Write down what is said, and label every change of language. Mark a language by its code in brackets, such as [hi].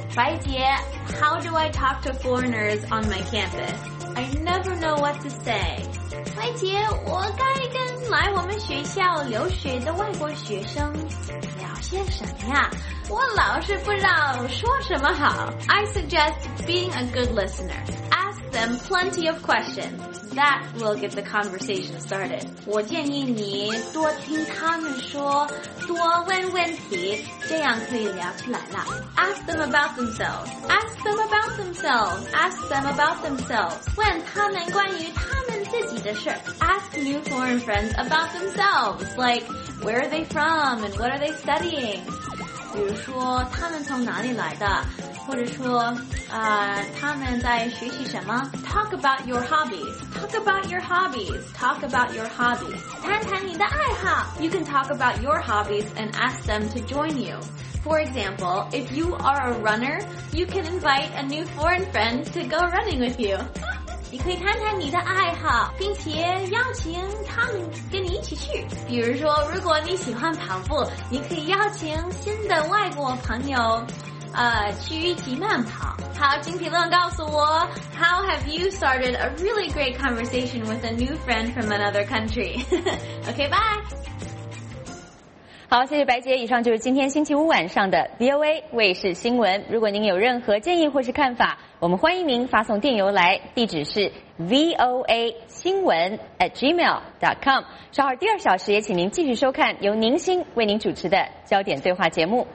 [en] 白姐， How do I talk to foreigners on my campus? I never know what to say. [zh] 白姐，我该跟来我们学校留学的外国学生聊些什么呀？我老是不知道说什么好。 [en] I suggest being a good listenerThem plenty of questions that will get the conversation started. [zh] 我建议你多听他们说，多问问题，这样可以聊起来了。 [en] Ask them about themselves. Ask them about themselves. Ask them about themselves. [zh] 问他们关于他们自己的事。 [en] Ask new foreign friends about themselves, like where are they from and what are they studying. [zh] 比如说他们从哪里来的。或者说他们在学习什么。 [en] Talk about your hobbies. Talk about your hobbies. Talk about your hobbies. [zh] 谈谈你的爱好。 [en] You can talk about your hobbies and ask them to join you. For example, if you are a runner, you can invite a new foreign friend to go running with you. [zh] 你可以谈谈你的爱好，并且邀请他们跟你一起去。比如说，如果你喜欢跑步，你可以邀请新的外国朋友去一起慢跑。好，请评论告诉我 [en] How have you started a really great conversation with a new friend from another country? Okay, bye. [zh] 好，谢谢白洁。以上就是今天星期五晚上的 VOA 卫视新闻。如果您有任何建议或是看法，我们欢迎您发送电邮来，地址是 voa.gmail.com。稍后第二小时也请您继续收看由宁馨为您主持的焦点对话节目。